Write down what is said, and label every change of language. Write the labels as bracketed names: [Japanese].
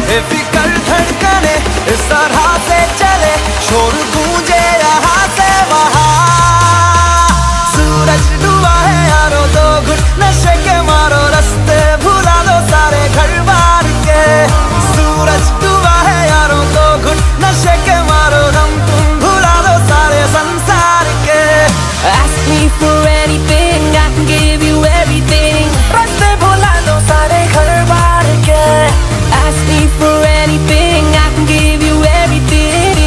[Hindi] फिकर धड़कने इस तरह से चले शोर गूंजे यहाँ से वहाँ सूरज डूबा है यारो दो घुट नशे के मारो रस्ते भुला दो सारे घर बार के सूरज डूबा है यारो दो घुट नशे के मारो दम तुम भुला दो सारे संसार के [English] Ask me for anything, I can give you everything [Hindi] रस्ते भुला दो सारे घर बार के [English] Ask me for anything, I can give you everything.